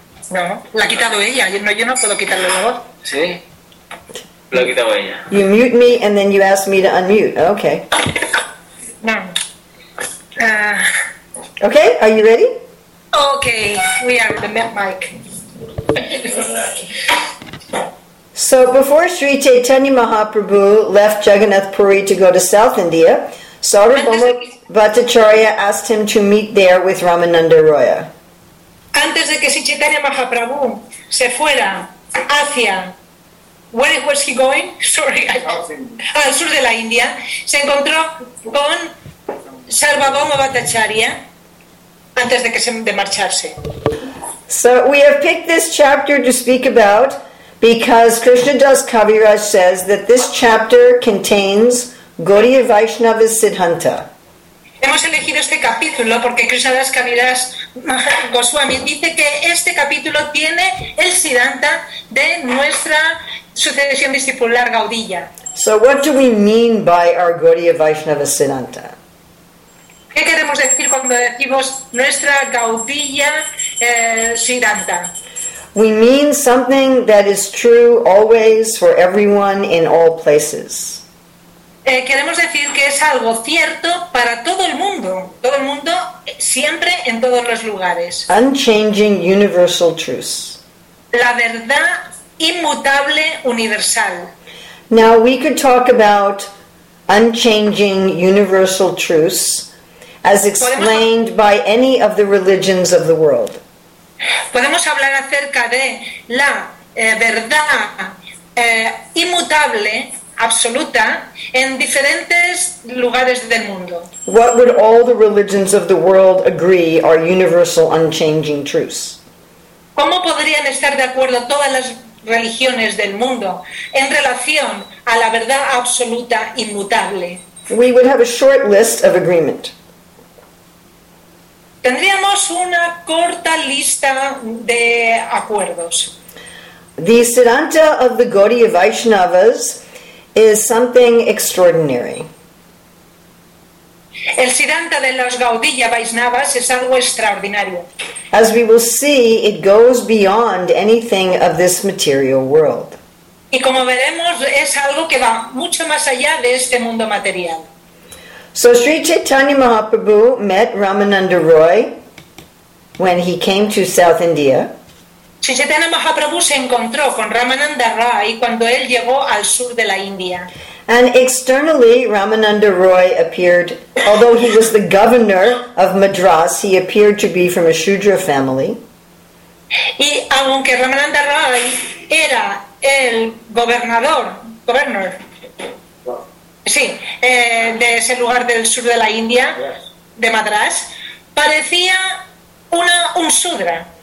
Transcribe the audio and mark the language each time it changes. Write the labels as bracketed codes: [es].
[es] No, la ha quitado ella, yo no puedo quitarle la voz. ¿Sí? [en] You mute me and then you ask me to unmute. Okay. No. Okay, are you ready? Okay, we are the mic. So before Sri Chaitanya Mahaprabhu left Jagannath Puri to go to South India, Sarvabhauma Bhattacharya asked him to meet there with Ramananda Roy. [es] Antes de que Sri Chaitanya Mahaprabhu se fuera hacia... [en] Where was he going? Sorry. [es] Al sur de la India. Se encontró con Sarvabhauma Bhattacharya antes de que de marcharse. [en] So we have picked this chapter to speak about because Krishnadas Kaviraj says that this chapter contains Gaudiya Vaishnava Siddhanta. [es] Hemos elegido este capítulo porque Krishnadas Kaviraj Goswami dice que este capítulo tiene el Siddhanta de nuestra sucesión discipular Gaudiya. [en] So what do we mean by our Gaudiya Vaishnava Siddhanta? [es] ¿Qué queremos decir cuando decimos nuestra Gaudiya Siddhanta? [en] We mean something that is true always for everyone in all places. [es] Queremos decir que es algo cierto para todo el mundo. Todo el mundo, siempre, en todos los lugares. [en] Unchanging universal truth. [es] La verdad inmutable universal. [en] Now we could talk about unchanging universal truths as explained by any of the religions of the world. [es] Podemos hablar acerca de la verdad inmutable absoluta en diferentes lugares del mundo. [en] What would all the religions of the world agree are universal unchanging truths? [es] ¿Cómo podrían estar de acuerdo todas las religiones del mundo en relación a la verdad absoluta inmutable? [en] We would have a short list of agreement. [es] Tendríamos una corta lista de acuerdos. [en] The Siddhanta of the Gaudiya Vaishnavas is something extraordinary. [es] El Siddhanta de los Gaudiya Vaishnavas es algo extraordinario. [en] As we will see, it goes beyond anything of this material world. [es] Y como veremos, es algo que va mucho más allá de este mundo material. [en] So Sri Chaitanya Mahaprabhu met Ramananda Roy when he came to South India. [es] Sri Chaitanya Mahaprabhu se encontró con Ramananda Roy cuando él llegó al sur de la India. [en] And externally, Ramananda Roy appeared, although he was the governor of Madras, he appeared to be from a Shudra family. [es] Y aunque Ramananda Roy era el governor, sí, de ese lugar del sur de la India, de Madras, parecía un Shudra.